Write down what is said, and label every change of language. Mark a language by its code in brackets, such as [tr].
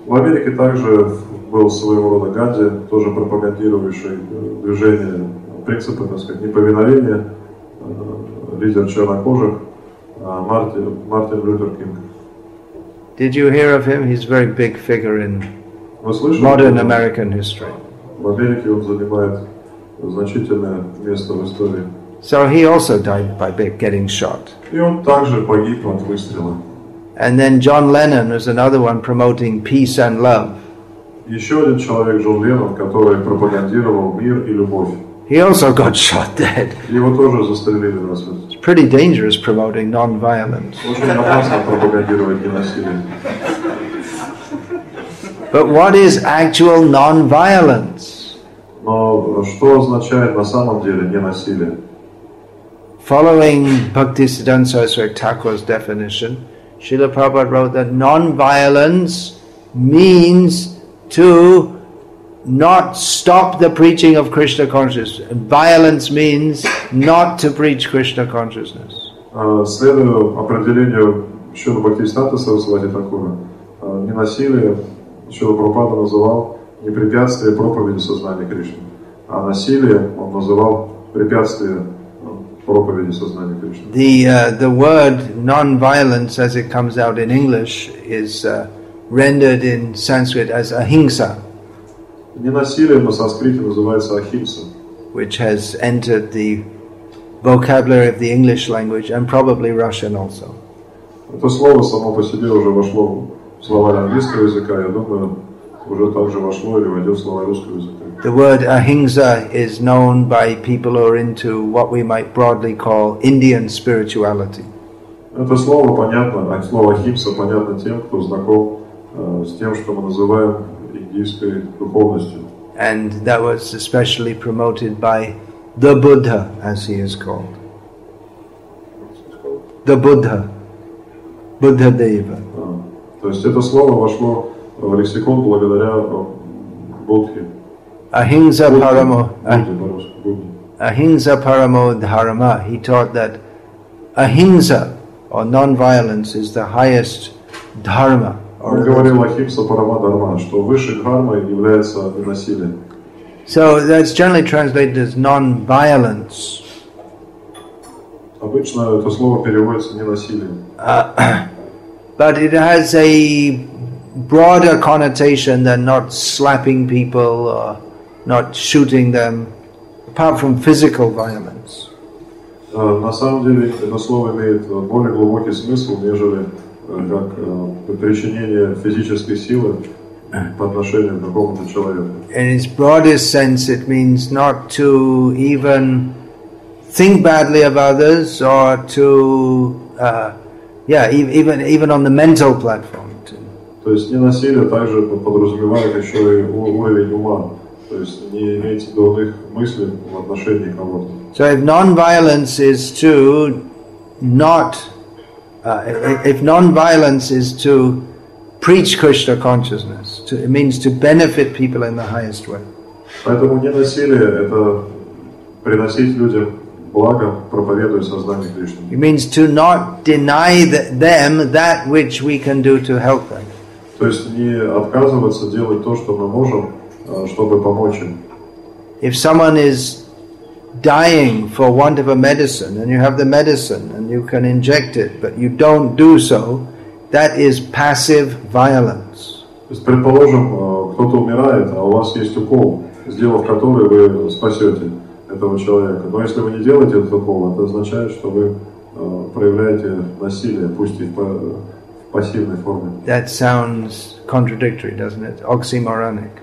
[ru] В Америке также был своего рода Ганди, тоже пропагандирующий движение принципа, так сказать, неповиновения, лидер чернокожих, Мартин Лютер Кинг. [en] Did you hear of him? He's a very big figure in modern American history. [ru] В Америке он занимает значительное место в истории. [en] So he also died by getting shot. [ru] И он также погиб от выстрела. [en] And then John Lennon is another one promoting peace and love. [ru] Еще один человек, Джон Леннон, который пропагандировал мир и любовь. [en] He also got shot dead. [ru] Его тоже застрелили на смерть. [en] It's pretty dangerous promoting non-violence. [ru] Очень опасно пропагандировать ненасилие. [en] But what is actual non-violence? [ru] Но что означает на самом деле ненасилие? [en] Following Bhaktisiddhanta Saraswati Thakur's definition, Srila Prabhupada wrote that non-violence means to not stop the preaching of Krishna consciousness. Violence means not to preach Krishna consciousness. [ru] Следуя определению Шрила Бхактисиддханта Сарасвати Такура, ненасилие Шрила Прабхупада называл не препятствие проповеди сознания Кришны, а насилие он называл препятствие проповеди сознания Кришны. [en] The word non-violence, as it comes out in English, is rendered in Sanskrit as ahimsa. [ru] Ненасилие на санскрите называется ахимса, [en] which has entered the vocabulary of the English language and probably Russian also. [ru] Это слово само по себе уже вошло в словарь английского языка, я думаю, уже также вошло или войдет в словарь русского языка. [en] The word ahimsa is known by people who are into what we might broadly call Indian spirituality. [ru] Это слово понятно, а слово ахимса понятно тем, кто знаком с тем, что мы называем индийской духовностью. [en] And that was especially promoted by the Buddha, as he is called. The Buddha. Buddha Deva. [ru] То есть это слово вошло в лексикон благодаря Будхе. [sa] Ahimsa Paramo Dharma. [en] He taught that ahimsa or non-violence is the highest dharma. [ru] Он говорил [sa] ahimsa Paramo Dharma, [ru] что высшей дхармой является ненасилие. [en] So that's generally translated as non-violence. [ru] Обычно это слово переводится ненасилие. [en] But it has a broader connotation than not slapping people or not shooting them, apart from physical violence. [ru] На самом деле, это слово имеет более глубокий смысл, нежели как причинение физической силы по отношению к какому-то человеку. [en] In its broadest sense, it means not to even think badly of others or to, even on the mental platform. [ru] То есть ненасилие также подразумевает еще и уровень ума. То есть не иметь дурных мыслей в отношении кого-то. [en] So if non-violence is to not, if non-violence is to preach Krishna consciousness, to, it means to benefit people in the highest way. [ru] Поэтому ненасилие — это приносить людям благо, проповедуя сознание Кришны. [en] It means to not deny them that which we can do to help them. [ru] То есть не отказываться делать то, что мы можем, чтобы помочь им. [en] If someone is dying for want of a medicine, and you have the medicine, and you can inject it, but you don't do so, that is passive violence. [ru] Предположим, кто-то умирает, а у вас есть укол, сделав который, вы спасете этого человека. Но если вы не делаете этот укол, это означает, что вы проявляете насилие, пусть и в пассивной форме. [en] That sounds contradictory, doesn't it? Oxymoronic.